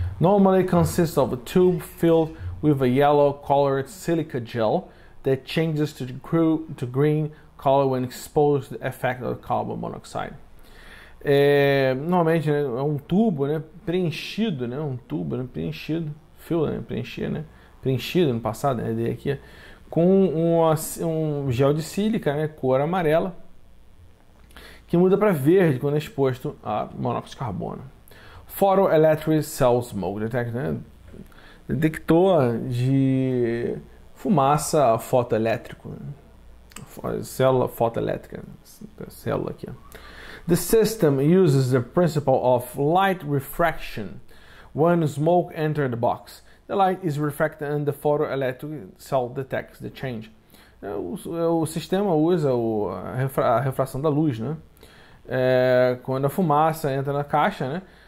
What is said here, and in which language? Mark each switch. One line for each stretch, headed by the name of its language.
English: Normally consists of a tube filled with a yellow colored silica gel that changes to green color when exposed to the effect of carbon monoxide.
Portuguese: Normalmente, né, é um tubo, né, preenchido, né, um tubo, né, preenchido, filler, né, preencher, né, preenchido no passado, né, dei aqui, com um gel de sílica, né, cor amarela, que muda para verde quando é exposto a monóxido de carbono.
English: Photoelectric cell smoke detector,
Portuguese: né, detector de fumaça fotoelétrico, né, célula fotoelétrica, né, célula aqui, ó.
English: The system uses the principle of light refraction. When smoke enters the box, the light is refracted and the photoelectric cell detects the change.
Portuguese: O sistema usa a refração da luz, né? Quando a fumaça entra na caixa, né?